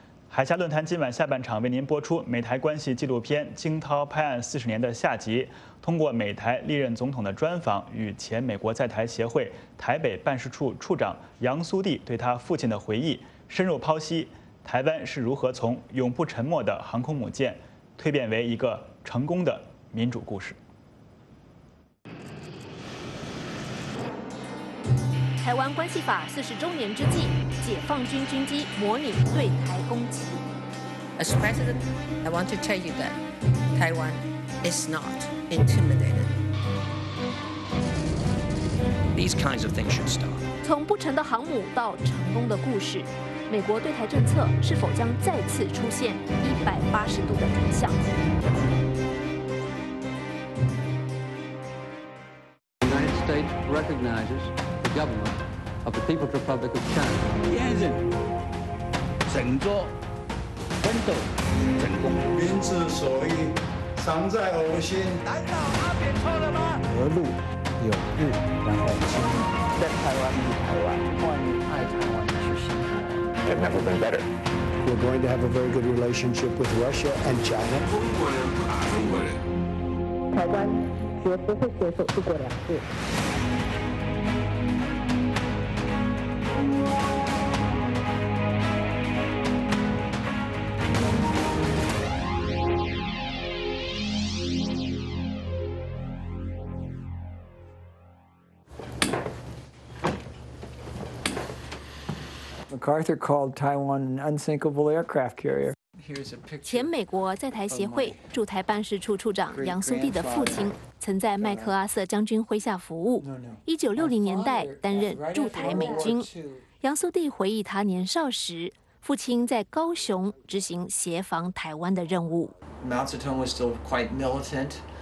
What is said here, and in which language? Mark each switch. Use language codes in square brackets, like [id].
[zh] 海峡论坛今晚下半场为您播出美台关系纪录片《惊涛拍岸四十年》的下集，通过美台历任总统的专访与前美国在台协会台北办事处处长杨苏蒂对他父亲的回忆，深入剖析台湾是如何从永不沉没的航空母舰蜕变为一个成功的民主故事。台湾关系法四十周年之际，解放军军机模拟对台攻击。 [en] As president, I want to tell you that Taiwan is not intimidated. These kinds of things should stop. [zh] 从不成的航母到成功的故事，美国对台政策是否将再次出现180度的转向？ [en] Of the People's Republic of China. [zh] 坚韧、振作、奋斗、成功。民之所欲，常在吾心。难道阿扁错了吗？何路有日两岸亲？在台湾与台湾，欢迎爱台湾的去心。 [en] It's never been better. We're going to have a very good relationship with Russia and China. [zh] 中国人不打中国人。台湾绝不会接受一国两制。 [en] MacArthur called Taiwan an unsinkable aircraft carrier. [zh] 前美国在台协会驻台办事处处长杨苏蒂的父亲曾在麦克阿瑟将军麾下服务。 1960年代担任驻台美军。杨苏蒂回忆他年少时，父亲在高雄执行协防台湾的任务。 [en] Mao Zedong was still quite militant.